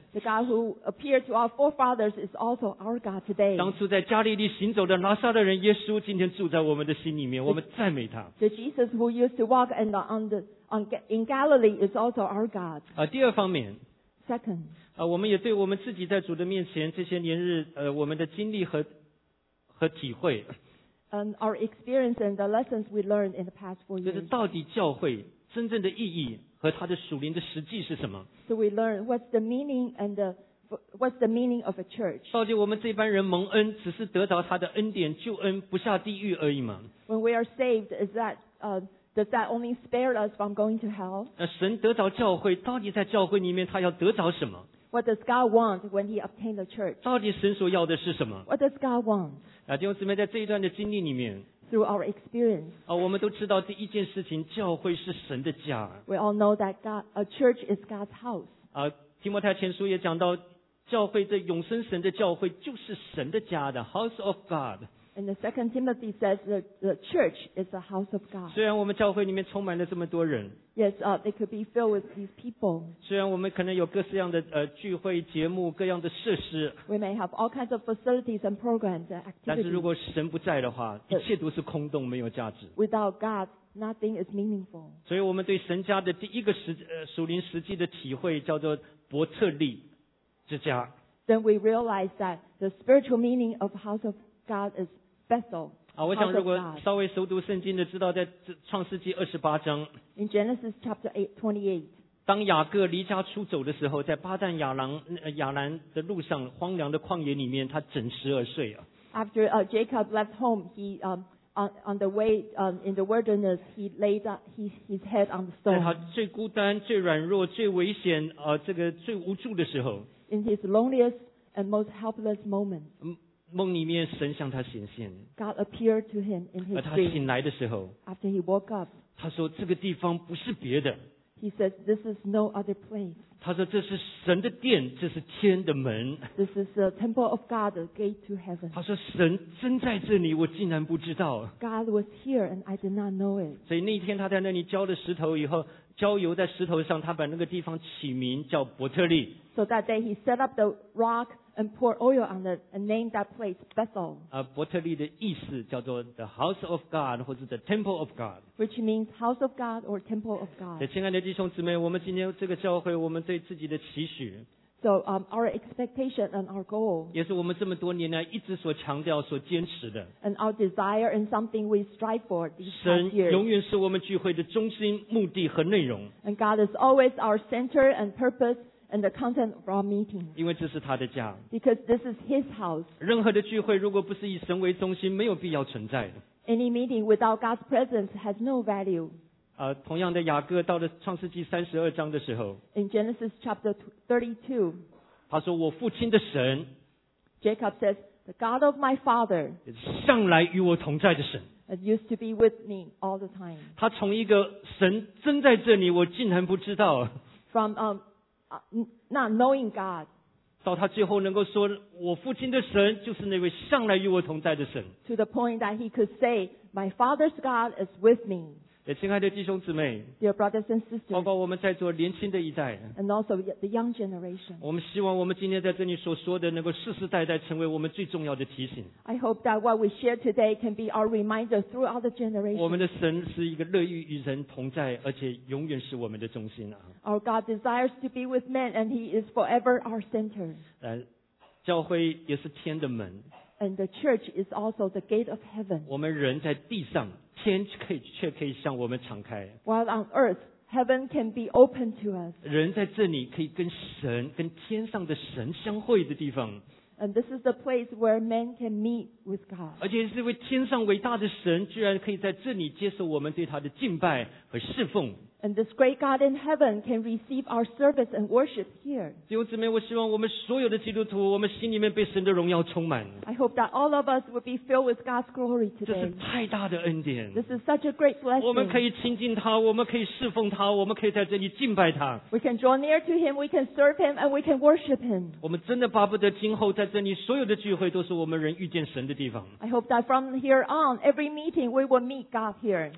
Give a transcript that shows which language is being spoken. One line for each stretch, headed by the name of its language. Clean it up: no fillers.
English: The God who appeared to our forefathers is also our God today.
Chinese: 当初在加利利行走的拿撒勒人耶稣今天住在我们的心里面，我们赞美他。
English: The Jesus who used to walk and in Galilee is also our God.
Chinese: 第二方面。
English: Second.
Chinese: 我们也对我们自己在主的面前这些年日我们的经历和体会。
English: And our experience and the lessons we learned in the past 4 years.
Chinese: 就是到底教会真正的意义和它的属灵的实际是什么。
English: So we learn what's the meaning and the what's the meaning of a church?
Chinese: 到底我们这班人蒙恩，只是得到他的恩典救恩，不下地狱而已吗？
English: When we are saved, is that does that only spare us from going to hell?
Chinese: 那神得到教会，到底在教会里面他要得着什么？
English: What does God want when he obtained the church?
Chinese: 到底神所要的是什么？
English: What does God want?
Chinese: 弟兄姊妹，在这一段的经历里面，
English: through our experience,
Chinese: 我们都知道第一件事情，教会是神的家。
English: We all know that God, a church is God's house.
Chinese: 提摩太前书也讲到，教会的永生神的教会就是神的家的 ,
English: house of God. And the second Timothy says the church is the house of God.
Chinese: 虽然我们教会里面充满了这么多人，
English: Yes, they could be filled with these people.
Chinese: 虽然我们可能有各式样的聚会节目，各样的设施。
English: We may have all kinds of facilities and programs and activities.
Chinese: 但是如果神不在的话，一切都是空洞，没有价值。
English: Without God, nothing is meaningful.
Chinese: 所以我们对神家的第一个属灵实际的体会叫做伯特利之家。
English: Then we realize that the spiritual meaning of house of God is Bethel.
Chinese: 我想如果稍微熟读圣经的知道在创世纪二十八章
English: In Genesis chapter 28,
Chinese: 当雅各离家出走的时候在巴旦亚兰的路上荒凉的旷野里面他枕石而睡、
English: After Jacob left home, he, on the way, in the wilderness, he laid his head on the stone.
Chinese: 在他最孤单最软弱最危险、这个最无助的时候
English: In his loneliest and most helpless moment.
Chinese: 梦里面神向他显现
English: God appeared to him in his dream
Chinese: 而他醒来的时候
English: After he woke up
Chinese: 他说这个地方不是别的
English: He says this is no other place
Chinese: 他说这是神的殿这是天的门
English: This is the temple of God the gate to heaven
Chinese: 他说神真在这里我竟然不知道
English: God was here and I did not know it
Chinese: 所以那天他在那里浇了石头以后浇油在石头上他把那个地方起名叫伯特利
English: So that day he set up the rockand pour oil on it and name that place Bethel.
Chinese: 伯特利的意思叫做
English: the house of God
Chinese: 或者
English: the temple of God. Which means house of God or temple of God.
Chinese: 亲爱的弟兄姊妹我们今天这个教会我们对自己的期许
English: So, our expectation and our goal.
Chinese: 也是我们这么多年来一直所强调所坚持的
English: And our desire and something we strive for these past years.
Chinese: 神永远是我们聚会的中心目的和内容
English: And God is always our center and purpose. And the content of our meeting.
Chinese: 因为这是他的家。
English: Because this is his house.
Chinese: 任何的聚会如果不是以神为中心，没有必要存在。
English: Any meeting without God's presence has no value.
Chinese: 同样的，雅各到了创世纪三十二章的时候。
English: In Genesis chapter 32.
Chinese: 他说：“我父亲的神。”
English: Jacob says, "The God of my father."
Chinese: 向来与我同在的神。
English: It used to be with me all the time.
Chinese: 他从一个神真在这里，我竟然不知道。
English: From not knowing God.
Chinese: 到他最后能够说，我父亲的神就是那位向来与我同在的神。
English: To the point that he could say, my father's God is with me.
Chinese: 亲爱的弟兄姊妹
English: Dear brothers and sisters.
Chinese: 包括我们在座年轻的一代
English: And also the young generation.
Chinese: 我们希望我们今天在这里所说的能够世世代代成为我们最重要的提醒。
English: I hope that what we share today can be our reminder throughout the generation.
Chinese: 我们的神是一个乐意与人同在，而且永远是我们的中心啊。
English: Our God desires to be with men and he is forever our center.
Chinese: 教会也是天的门。
English: And the church is also the gate of heaven.
Chinese: 我们人在地上，天却可以向我们敞开。
English: While on earth, heaven can be open to us.
Chinese: 人在这里可以跟神，跟天上的神相会的地方。
English: And this is the place where men can meet with God.
Chinese: 而且这位天上伟大的神居然可以在这里接受我们对他的敬拜和侍奉。
English: And this great God in heaven can receive our service and worship here.
Chinese: 弟兄姊妹，我希望我们所有的基督徒，我们心里面被神的荣耀充满。
English: I hope that all of us will be filled with God's glory today.
Chinese: 这是太大的恩典。
English: This is such a great blessing.
Chinese: 我们可以亲近他，我们可以侍奉他，我们可以在这里敬拜他。
English: We can draw near to him, we can serve him, and we can worship him.
Chinese: 我们真的巴不得今后在这里所有的聚会都是我们人遇见神的地方。
English: I hope that from here on, every meeting we will meet God here.